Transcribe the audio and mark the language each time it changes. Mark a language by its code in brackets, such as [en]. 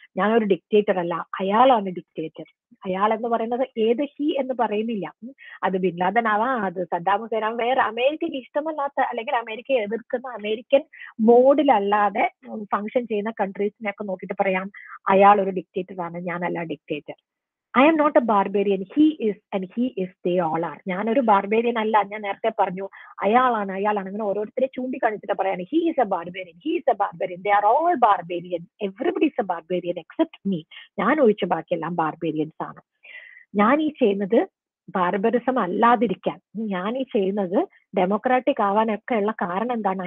[ml] ഞാനൊരു ഡിക്റ്റേറ്റർ അല്ല, അയാളാണ് ഡിക്റ്റേറ്റർ. അയാൾ എന്ന് പറയുന്നത് ഏത് ഹി എന്ന് പറയുന്നില്ല. അത് ബിൻ ലാദനാവാം, അത് സദ്ദാം ഹുസൈനാവാം, വേറെ അമേരിക്കയ്ക്ക് ഇഷ്ടമല്ലാത്ത അല്ലെങ്കിൽ അമേരിക്കയെ എതിർക്കുന്ന അമേരിക്കൻ മോഡിലല്ലാതെ ഫങ്ഷൻ ചെയ്യുന്ന കൺട്രീസിനെയൊക്കെ നോക്കിയിട്ട് പറയാം അയാൾ ഒരു ഡിക്റ്റേറ്റർ ആണ്, ഞാനല്ല dictator. [en] I am not a barbarian. He is and he is, they all are. [ml] ഞാൻ ഒരു ബാർബേറിയൻ അല്ല, ഞാൻ നേരത്തെ പറഞ്ഞു അയാളാണ് അയാളാണ്. അങ്ങനെ ഓരോരുത്തരെ ചൂണ്ടിക്കാണിച്ചിട്ട് പറയാണ് [en] He is a barbarian, he is a barbarian, they are all barbarian, everybody is a barbarian except me. [ml] ഞാൻ ഒഴിച്ച് ബാക്കിയെല്ലാം ബാർബേറിയൻസ് ആണ്. ഞാൻ ഈ ചെയ്യുന്നത് ബാർബറിസം അല്ലാതിരിക്കാൻ, ഞാൻ ഈ ചെയ്യുന്നത് ഡെമോക്രാറ്റിക് ആവാനൊക്കെ ഉള്ള കാരണം എന്താണ്?